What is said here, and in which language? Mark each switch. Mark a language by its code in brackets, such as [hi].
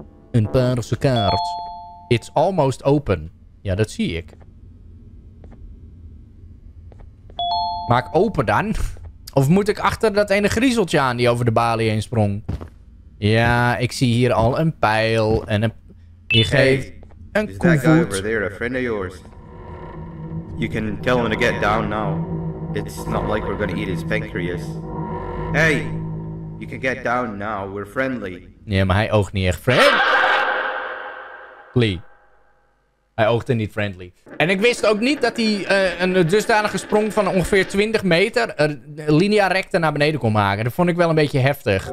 [nl] Een paarse kaart. [en] It's almost open. [nl] Ja, dat zie ik. Maak open dan. Of moet ik achter dat ene griezeltje aan die over de balie heen sprong? Ja, ik zie hier al een pijl en een... Je geeft een koevoet. [en] Hey, is that guy over there a friend of yours? You can tell him to get down now. It's not like we're gonna eat his pancreas. Hey, you can get down now. We're friendly. [nl] Ja, maar hij oogt niet echt friendly. Lee. Hij oogde niet friendly. En ik wist ook niet dat hij een dusdanige sprong van ongeveer 20 meter... linea recta naar beneden kon maken. Dat vond ik wel een beetje heftig.